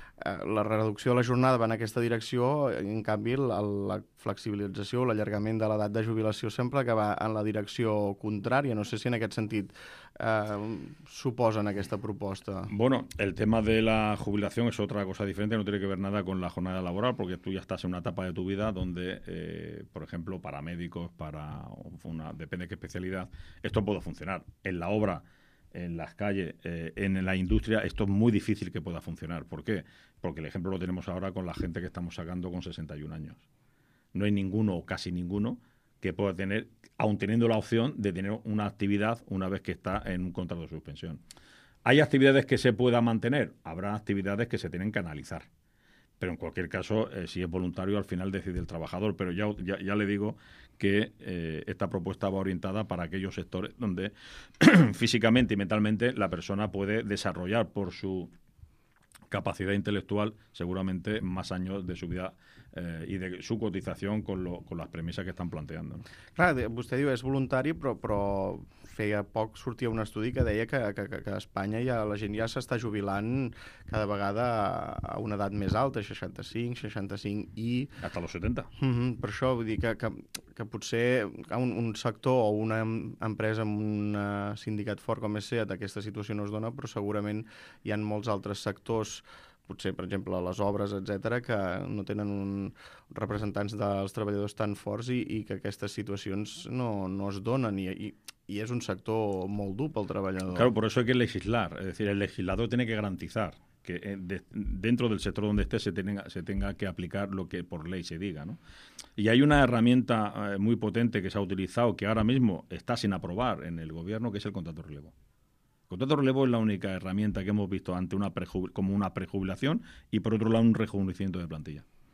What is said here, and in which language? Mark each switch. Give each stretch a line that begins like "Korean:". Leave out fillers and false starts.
Catalan: La reducció de la jornada va en aquesta direcció, en canvi la flexibilització, l'allargament de l'edat de jubilació sempre que va en la direcció contrària. No sé si en aquest sentit suposen aquesta proposta.
Spanish: Bueno, el tema de la jubilación es otra cosa diferente, no tiene que ver nada con la jornada laboral, porque tú ya estás en una etapa de tu vida donde, por ejemplo, para médicos, para una, depende de qué especialidad, esto puede funcionar. En la obra, en las calles, en la industria, esto es muy difícil que pueda funcionar. ¿Por qué? Porque el ejemplo lo tenemos ahora con la gente que estamos sacando con 61 años. No hay ninguno o casi ninguno que pueda tener, aun teniendo la opción de tener una actividad una vez que está en un contrato de suspensión. ¿Hay actividades que se pueda mantener? Habrá actividades que se tienen que analizar. Pero en cualquier caso, si es voluntario, al final decide el trabajador. Pero ya le digo que esta propuesta va orientada para aquellos sectores donde físicamente y mentalmente la persona puede desarrollar por su capacidad intelectual seguramente más años de su vida y de su cotización con las premisas que están planteando.
Catalan: Clar, vostè diu és voluntari, però feia poc sortia un estudi que deia que a Espanya ja, la gent ja s'està jubilant cada vegada a una edat més alta, 65, 65 i...
Spanish: Hasta los 70.
Catalan: Mm-hmm, per això vull dir que potser un sector o una empresa amb un sindicat fort com és SEAT, aquesta situació no es dona, però segurament hi han molts altres sectors, potser, per exemple, les obres, etc, que no tenen representants dels treballadors tan forts i que aquestes situacions no es donen i és un sector molt dur pel treballador.
Spanish: Claro, por eso hay que legislar. Es decir, el legislador tiene que garantizar que dentro del sector donde esté se tenga que aplicar lo que por ley se diga, ¿no? Y hay una herramienta muy potente que se ha utilizado que ahora mismo está sin aprobar en el gobierno, que es el contrato relevo. El contrato relevo es la única herramienta que hemos visto ante una prejubilación y, por otro lado, un rejuvenecimiento de plantilla.